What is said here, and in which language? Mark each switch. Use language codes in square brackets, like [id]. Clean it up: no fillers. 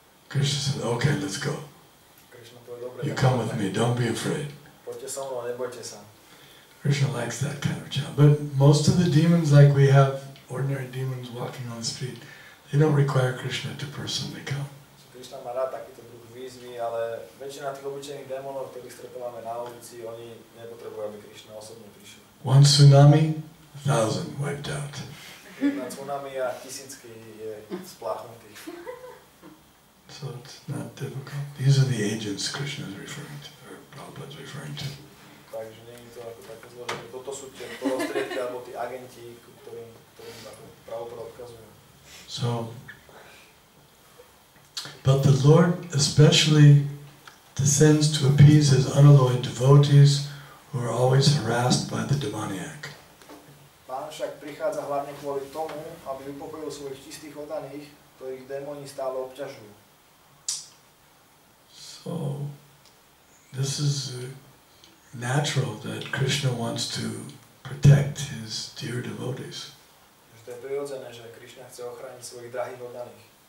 [en] Krishna said, okay, let's go. [sk] Krishna povie, dobre, [en] you come with me, don't be afraid. [sk] Poďte so mnou, nebojte sa. [en] Krishna likes that kind of job. But most of the demons, like we have ordinary demons walking on the street, they don't require Krishna to personally come. [sk] Krishna má rád takýto druh výzvy, ale väčšina tých obyčajných demonov, ktorých stretávame na ulici, oni nepotrebujú, aby Krishna osobne prišiel. [en] One tsunami, 1,000 wiped out. [sk] Na tsunami a tisícky je spláchnutý. [en] So it's not difficult. These are the agents Krishna is referring to, or Prabhupada is referring to. [sk] Takže nie je to ako také zložené. Toto sú tie prostriedky, alebo tí agenti, ktorým Prabhupada odkazujú. [en] So, but the Lord especially descends to appease his unalloyed devotees who are always harassed by the demoniac. [sk] Však prichádza hlavne kvôli tomu, aby upokojil svojich čistých oddaných, ktorých démoni stále obťažujú. [en] So, this is natural that Krishna wants to protect his dear devotees. [sk] To je prirodzené, že Krishna chce ochrániť svojich drahých oddaných.